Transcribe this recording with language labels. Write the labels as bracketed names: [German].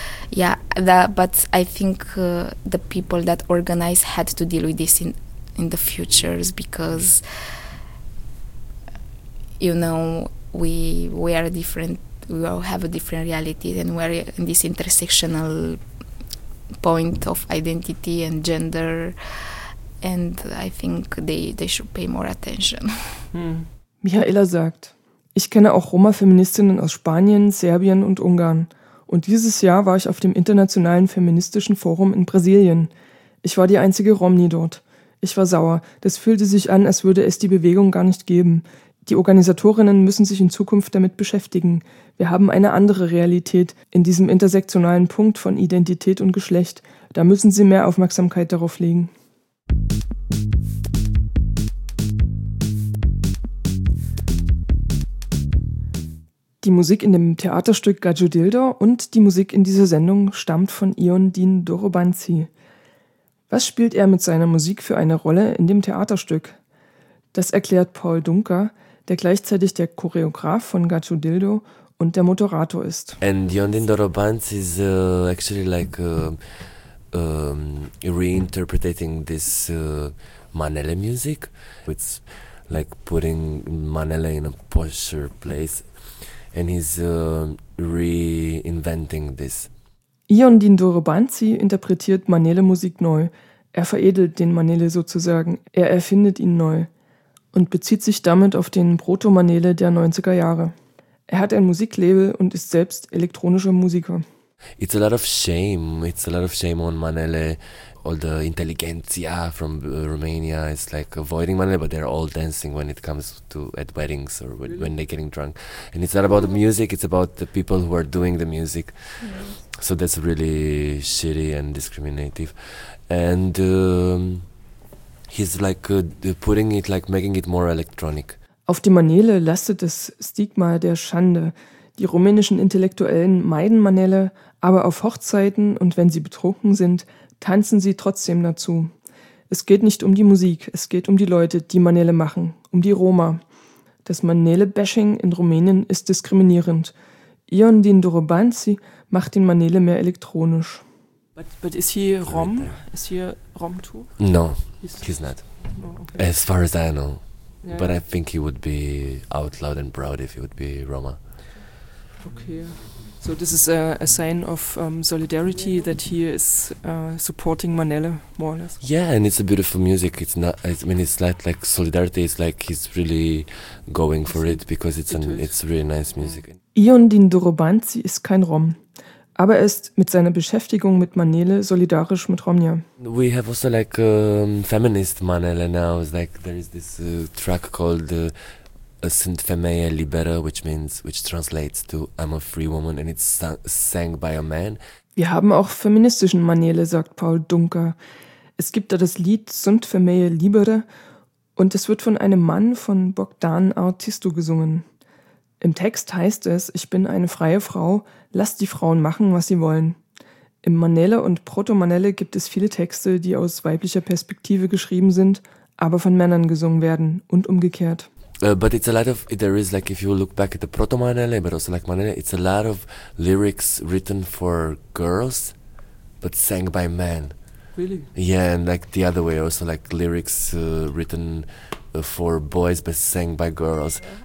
[English] Yeah, but I think the people that organize had to deal with this in the futures, because, you know, we are different, we all have a different reality, and we're in this intersectional point of identity and gender, and I think they should pay more attention. [German] Mihaela sagt, ich kenne auch Roma-Feministinnen aus Spanien, Serbien und Ungarn. Und dieses Jahr war ich auf dem Internationalen Feministischen Forum in Brasilien. Ich war die einzige Romni dort. Ich war sauer. Das fühlte sich an, als würde es die Bewegung gar nicht geben. Die Organisatorinnen müssen sich in Zukunft damit beschäftigen. Wir haben eine andere Realität in diesem intersektionalen Punkt von Identität und Geschlecht. Da müssen sie mehr Aufmerksamkeit darauf legen. Die Musik in dem Theaterstück Gajo Dildo und die Musik in dieser Sendung stammt von Ion Dean Dorobanzi. Was spielt er mit seiner Musik für eine Rolle in dem Theaterstück? Das erklärt Paul Dunker, der gleichzeitig der Choreograf von Gajo Dildo und der Moderator ist. [English] And Ion Dean Dorobanzi is actually like reinterpreting this Manele music. It's like putting Manele in a posher place, and he's reinventing this. [German] Ion Dean Dorobanzi interpretiert Manele-Musik neu. Er veredelt den Manele sozusagen. Er erfindet ihn neu. Und bezieht sich damit auf den Proto-Manele der 90er Jahre. Er hat ein Musiklabel und ist selbst elektronischer Musiker. [English] It's a lot of shame. It's a lot of shame on Manele. All the intelligentsia from Romania is like avoiding Manele, but they're all dancing when it comes to at weddings or when they're getting drunk. And it's not about the music, it's about the people who are doing the music. So that's really shitty and discriminative. And he's like putting it, like making it more electronic. Auf die Manele lastet das Stigma der Schande. Die rumänischen Intellektuellen meiden Manele, aber auf Hochzeiten und wenn sie betrunken sind, tanzen sie trotzdem dazu. Es geht nicht um die Musik, es geht um die Leute, die Manele machen, um die Roma. Das Manele-Bashing in Rumänien ist diskriminierend. Ion Dean Dorobanzi macht den Manele mehr elektronisch. But is he Rom? Is he a Rom too? No, he's not. Oh, okay. As far as I know. Yeah. But I think he would be out loud and proud if he would be Roma. Okay. So this is a sign of solidarity that he is supporting Manele more or less. Yeah, and it's a beautiful music. It's not. I mean, it's like solidarity. It's like he's really going for it because it's really nice music. [German] Iondin Dorobanzi ist kein Rom. Aber er ist mit seiner Beschäftigung mit Manele solidarisch mit Romja. [English] We have also like feminist Manele now. It's like there is this track called Sint Femeia Libera, which translates to I'm a free woman, and it's sang by a man. [German] Wir haben auch feministischen Manele, sagt Paul Dunker. Es gibt da das Lied Sint Femeia Libera und es wird von einem Mann von Bogdan Artistu gesungen. Im Text heißt es, ich bin eine freie Frau, lass die Frauen machen, was sie wollen. Im Manele und Proto-Manele gibt es viele Texte, die aus weiblicher Perspektive geschrieben sind, aber von Männern gesungen werden und umgekehrt. [English] But it's a lot of, there is like, if you look back at the Proto-Manele, but also like Manele, it's a lot of lyrics written for girls, but sang by men. Really? Yeah, and like the other way also, like lyrics written for boys, but sang by girls.